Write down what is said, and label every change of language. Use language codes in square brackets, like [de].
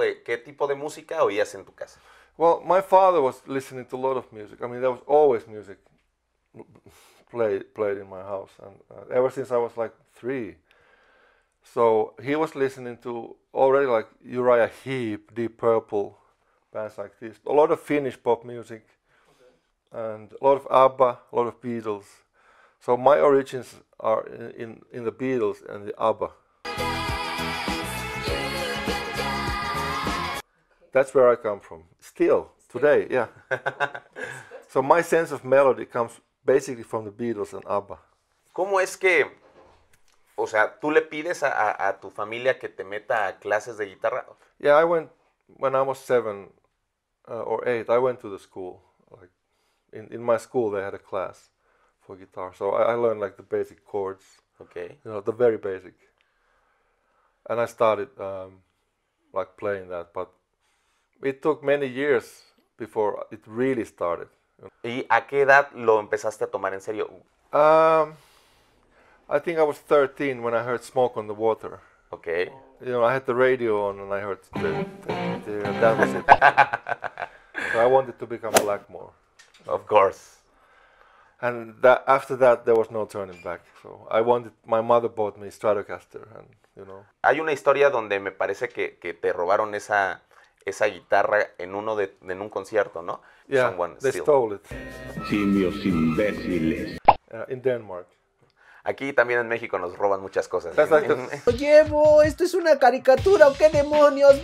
[es] ¿Qué tipo de música oías en tu casa? [en] Well, my father was listening to a lot of music. I mean, there was always music played in my house, and ever since I was like three. So he was listening to already like Uriah Heep, Deep Purple, bands like this. A lot of Finnish pop music, okay, and a lot of ABBA, a lot of Beatles. So my origins are in the Beatles and the ABBA. That's where I come from. Still, today, yeah. So my sense of melody comes basically from the Beatles and ABBA. [es] ¿Cómo es que, o sea, tú le pides a tu familia que te meta a clases de guitarra? [en] Yeah, I went, when I was seven or eight, I went to the school. Like in my school, they had a class for guitar. So I learned like the basic chords. Okay. You know, the very basic. And I started like playing that, but it took many years before it really started. [es] ¿Y a qué edad lo empezaste a tomar en serio? [en] I think I was 13 when I heard Smoke on the Water. Okay. You know, I had the radio on and I heard that was it. So I wanted to become Blackmore. Of course. And that, after that, there was no turning back. So I wanted, my mother bought me Stratocaster, and you know. [es] Hay una historia donde me parece que te robaron esa guitarra en uno de en un concierto, ¿no? [en] Yeah, someone they stole it. [es] Simios imbéciles. [en] In Denmark. [es] Aquí también en México nos roban muchas cosas. Lo llevo, esto es una caricatura, ¿o qué demonios?